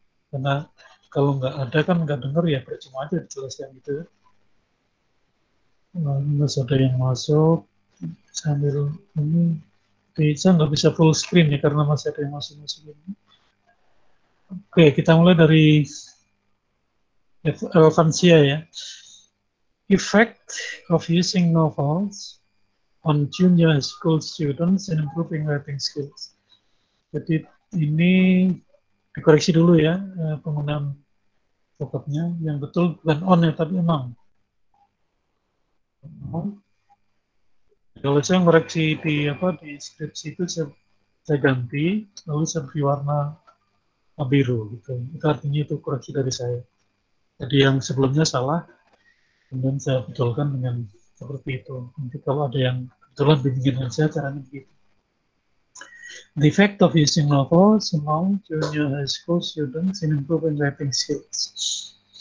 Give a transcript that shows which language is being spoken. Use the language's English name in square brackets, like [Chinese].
[Indonesian] Karena kalau enggak ada kan enggak dengar ya, percuma aja dijelaskan gitu. Nah, ada yang masuk. Sambil ini, saya enggak bisa full screen ya karena masih ada yang masuk-masuk ini. Oke, kita mulai dari Elvansia ya. [English] Effect of using novels on junior school students in improving writing skills. [Indonesian] Jadi ini dikoreksi dulu ya penggunaan vokabnya. Yang betul bukan on ya, tapi among. Kalau saya ngoreksi di apa di skripsi itu saya ganti, lalu saya beri warna biru gitu. Itu artinya itu koreksi dari saya. Jadi yang sebelumnya salah, kemudian saya betulkan dengan seperti itu. Nanti kalau ada yang kebetulan bingungin saya caranya begitu. [English] The effect of using novels among junior high school students in improving writing skills.